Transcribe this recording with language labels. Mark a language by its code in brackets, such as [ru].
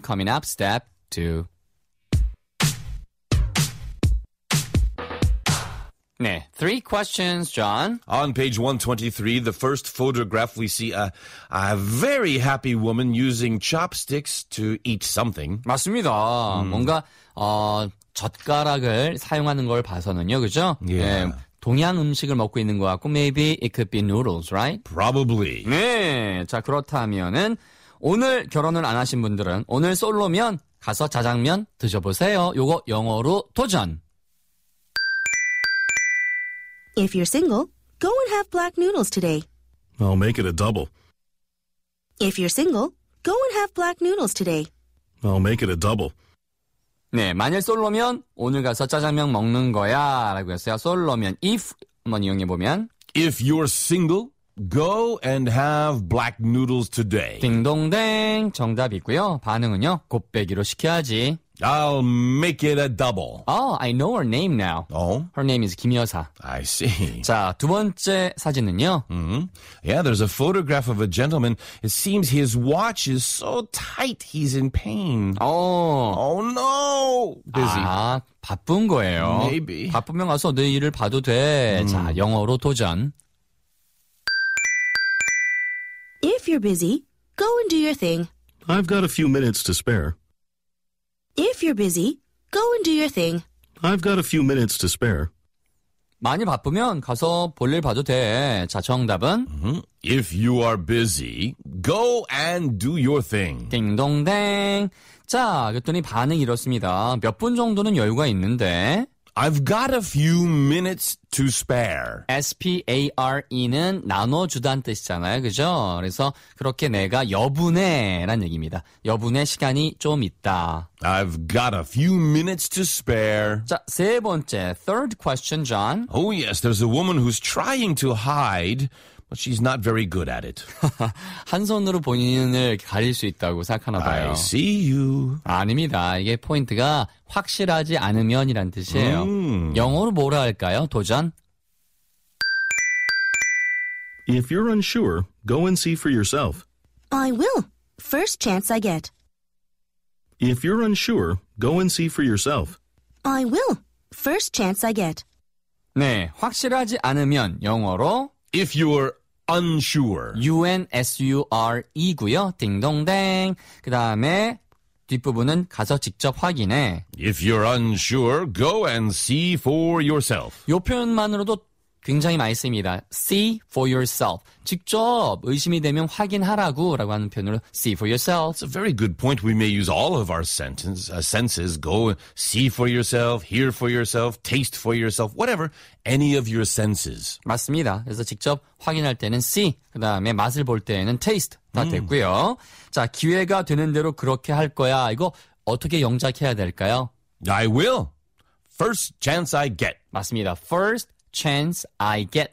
[en] Coming up, step two. 네, three questions, John. On page 123, the first photograph, we see a very happy woman using chopsticks to eat something. [ko] 맞습니다. 뭔가 젓가락을 사용하는 걸 봐서는요, 그죠? [en] Yeah. 네, [ko] 동양 음식을 먹고 있는 것 같고, [en] maybe it could be noodles, right? Probably. [ko] 네, 자 그렇다면은 오늘 결혼을 안 하신 분들은 오늘 솔로면 가서 자장면 드셔보세요. 요거 영어로 도전. [en] If you're single, go and have black noodles today. I'll make it a double. If you're single, go and have black noodles today. I'll make it a double. [ko] 네, 만일 솔로면 오늘 가서 짜장면 먹는 거야 라고 했어요. 솔로면 if 한번 이용해 보면 [en] If you're single, go and have black noodles today. [ko] 딩동댕 정답이고요. 반응은요. 곱빼기로 시켜야지. [en] I'll make it a double. Oh, I know her name now. Oh? Her name is Kim Yeosa. I see. [ko] 자, 두 번째 사진은요? Mm-hmm. [en] Yeah, there's a photograph of a gentleman. It seems his watch is so tight, he's in pain. Oh. Oh, no. [ko] Busy. 아, 바쁜 거예요. [en] Maybe. [ko] 바쁘면 가서 내 일을 봐도 돼. Mm. 자, 영어로 도전. [en] If you're busy, go and do your thing. I've got a few minutes to spare. If you're busy, go and do your thing. I've got a few minutes to spare. [ko] 많이 바쁘면 가서 볼일 봐도 돼. 자, 정답은? Mm-hmm. [en] If you are busy, go and do your thing. [ko] 띵동댕. 자, 그랬더니 반응이 이렇습니다. 몇 분 정도는 여유가 있는데. [en] I've got a few minutes to spare. [ko] S-P-A-R-E는 나눠주단 뜻이잖아요. 그죠? 그래서 그렇게 내가 여분에 라는 얘기입니다. 여분에 시간이 좀 있다. [en] I've got a few minutes to spare. [ko] 자, 세 번째. [en] Third question, John. Oh, yes. There's a woman who's trying to hide, but she's not very good at it. [ko] 한 손으로 본인을 가릴 수 있다고 생각하나 봐요. [en] I see you. [ko] 아닙니다. 이게 포인트가 확실하지 않으면이란 뜻이에요. 영어로 뭐라 할까요? 도전. [en] If you're unsure, go and see for yourself. I will. First chance I get. If you're unsure, go and see for yourself. I will. First chance I get. [ko] 네, 확실하지 않으면 영어로 [en] If you're unsure. [ko] U-N-S-U-R-E고요. 딩동댕. 그 다음에 뒷부분은 가서 직접 확인해. [en] If you're unsure, go and see for yourself. [ko] 이 표현만으로도 굉장히 많이 씁니다. [en] See for yourself. [ko] 직접 의심이 되면 확인하라고 라고 하는 표현으로 [en] see for yourself. It's a very good point. We may use all of our senses. Go see for yourself, hear for yourself, taste for yourself, whatever. Any of your senses. [ko] 맞습니다. 그래서 직접 확인할 때는 see, 그 다음에 맛을 볼 때는 taste 다 됐고요. 자, 기회가 되는 대로 그렇게 할 거야. 이거 어떻게 영작해야 될까요? [en] I will. First chance I get. [ko] 맞습니다. [en] First chance I get.